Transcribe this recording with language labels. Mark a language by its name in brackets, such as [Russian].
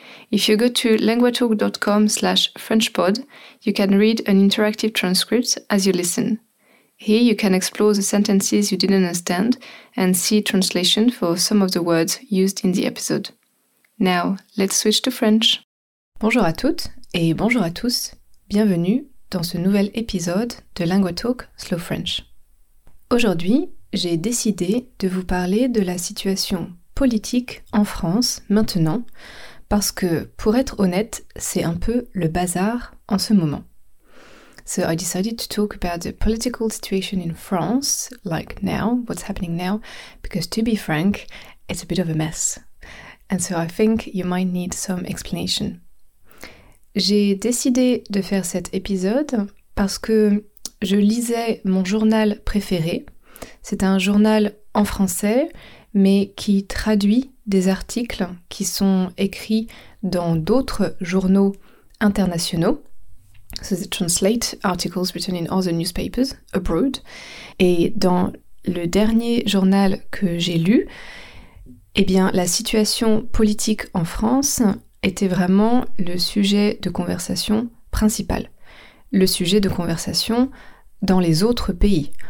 [English] If you go to languagetalk.com/frenchpod, you can read an interactive transcript as you listen. Here you can explore the sentences you didn't understand and see translation for some of the words used in the episode. Now, let's switch to French. [French] Bonjour à toutes et bonjour à tous. Bienvenue dans ce nouvel épisode de Lingua Talk Slow French. Aujourd'hui, j'ai décidé de vous parler de la situation politique en France maintenant, parce que, pour être honnête, c'est un peu le bazar en ce moment. [English] So I decided to talk about the political situation in France, like now, what's happening now, because to be frank, it's a bit of a mess. And so I think you might need some explanation. [French] J'ai décidé de faire cet épisode parce que je lisais mon journal préféré. C'est un journal en français, mais qui traduit des articles qui sont écrits dans d'autres journaux internationaux. [English] So they translate articles written in other newspapers abroad. [French] Et dans le dernier journal que j'ai lu, eh bien, la situation politique en France était vraiment le sujet de conversation principal, le sujet de conversation dans les autres pays.